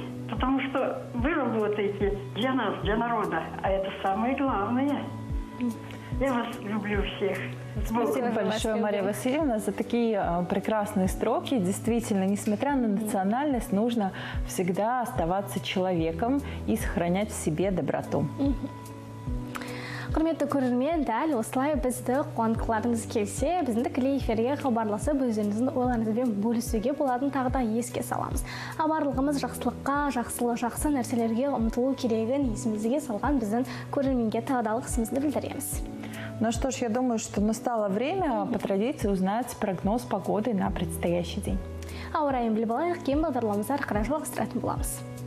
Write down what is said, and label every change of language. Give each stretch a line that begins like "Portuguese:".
Russian: Потому что вы работаете для нас, для народа. А это самое главное. Я вас люблю всех. Спасибо большое, Мария Васильевна, за такие прекрасные строки. Действительно, несмотря на национальность, нужно всегда оставаться человеком и сохранять в себе доброту.
Kazakh: Құрметті көрермен, дәл осылай бізді қуантқыларыңыз келсе, біздің тілей эфирге қабарласып, өзіңіздің ойларыңызбен бөлісуге болатын тағы да еске саламыз. Абарлығымыз жақсылыққа, жақсы нәрселерге ұмтылу керегін есімізге салған біздің көрерменге тағы да алғысымызды білдіреміз.
Russian: Ну что ж, я думаю, что настало время по традиции узнать прогноз погоды на предстоящий день.
Kazakh: Ауа райын біліп алайық, кейін бағдарламамызды әрі қарай жалғастыратын боламыз.